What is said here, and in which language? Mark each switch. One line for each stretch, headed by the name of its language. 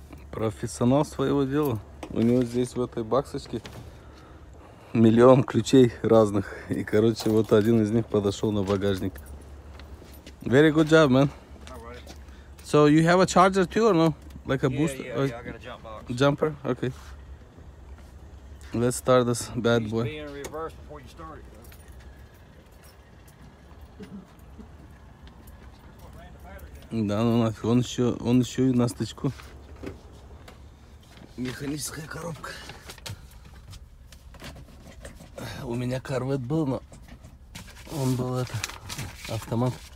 Russian: Профессионал своего дела. У него здесь в этой баксочке 1 000 000 ключей разных. И, короче, вот один из них подошел на багажник.
English: Very good job, man. Alright. So, you have a charger too, or no? Like a booster? Yeah, I got a jump box. Jumper? Okay. Let's start this bad boy. You should be in reverse before you start it.
Russian: Да, ну нафиг, он еще и на стычку. Механическая коробка. У меня Corvette был, но он был это автомат.